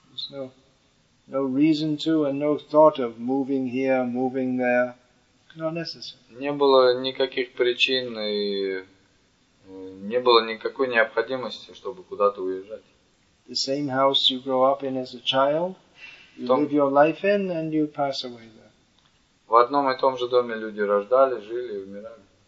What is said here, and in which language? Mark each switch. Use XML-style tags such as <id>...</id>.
<en>There's no reason to and no thought of moving here, moving there. Not necessary.</en> <ru>Не было никаких причин и не было никакой необходимости, чтобы куда-то уезжать.</ru> <en>The same house you grow up in as a child, you live your life in and you pass away there.</en> <ru>В одном и том же доме люди рождались, жили и умирали.</ru>